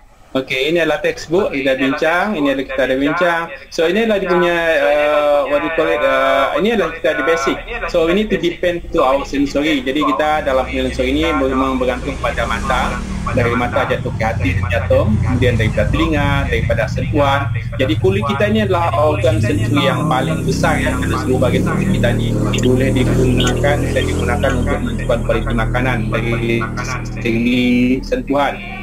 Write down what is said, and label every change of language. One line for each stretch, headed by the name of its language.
Malay: Okay, ini adalah textbook kita bincang. Ini adalah kita ada bincang. So ini adalah punya
English: what you call it.
Malay: Ini adalah kita di basic.
English: So we need to depend to our sensory.
Malay: Jadi kita dalam sensory ini memang bergantung pada mata. Dari mata jatuh ke hati, jatuh, kemudian daripada telinga, daripada sentuhan. Jadi kulit kita ini adalah organ sensory yang paling besar ya. Karena seluruh bagian kulit kita ini boleh digunakan, bisa digunakan untuk menentukan kualiti makanan dari segi sentuhan.